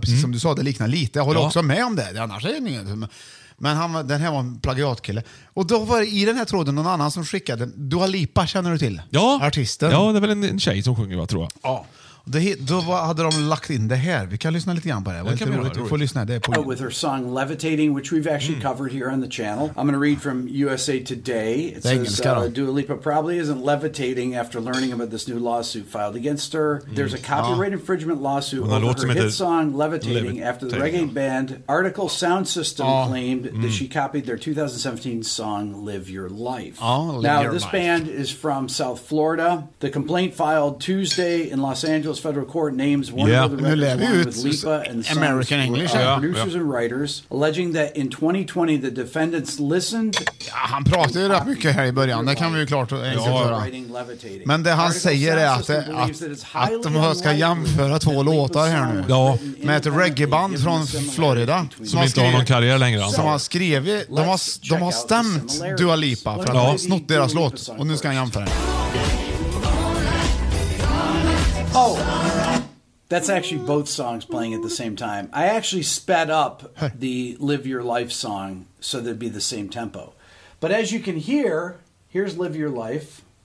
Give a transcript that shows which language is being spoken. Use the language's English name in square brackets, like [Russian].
[Swedish] Precis som du sa, det liknar lite. Jag håller också med om det. Annars är det ingen. Men han, den här var en plagiatkille. Och då var det i den här tråden någon annan som skickade. Dua Lipa, känner du till? Ja. Artisten. Ja, det är väl en tjej som sjunger, tror jag. Ja. Då hade de lagt in det här. Vi kan lyssna lite grann på det. Det kan vi får lyssna. Det är på. [English] With her song Levitating, which we've actually covered here on the channel. I'm going to read from USA Today. It says Dua Lipa probably isn't levitating after learning about this new lawsuit filed against her. There's a copyright infringement lawsuit over her hit song Levitating after the reggae band Article Sound System claimed that she copied their 2017 song Live Your Life. Now, this band is from South Florida. The complaint filed Tuesday in Los Angeles federal court names one of the records with Lipa and the American songs, English producers and writers alleging that in 2020 the defendants listened. [Swedish] Han pratade rätt mycket här i början, det kan vi ju klart göra. Men det han säger är att de ska jämföra två låtar här nu med ett reggaeband från Florida som inte har någon karriär längre, som har skrivit, de har stämt Dua Lipa för att ha snott deras låt, och nu ska han jämföra. [English] Oh, that's actually both songs playing at the same time. I actually sped up the Live Your Life song so that it'd be the same tempo. But as you can hear, here's Live Your Life.